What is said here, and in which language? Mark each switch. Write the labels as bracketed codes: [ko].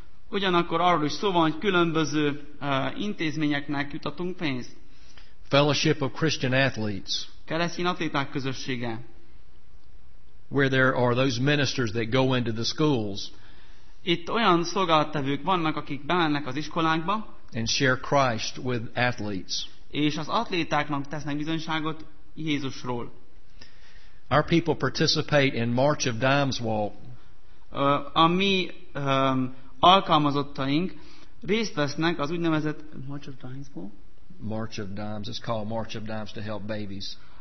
[hu] Ugyanakkor arról is szó van, hogy különböző intézményeknek jutatunk pénzt. [en] Fellowship of Christian Athletes. [hu] Keresztény atléták közössége. [en] Where there are those ministers that go into the schools. [hu] Itt olyan szolgálattevők vannak, akik bemennek az iskolákba. [en] And share Christ with athletes. [hu] És az atlétáknak tesznek bizonyságot Jézusról. [en] Our people participate in March of Dimes Walk. [hu] A mi alkalmazottaink részt vesznek az úgynevezett March of Dimes Walk. [en] March of Dimes. It's called March of Dimes to help babies.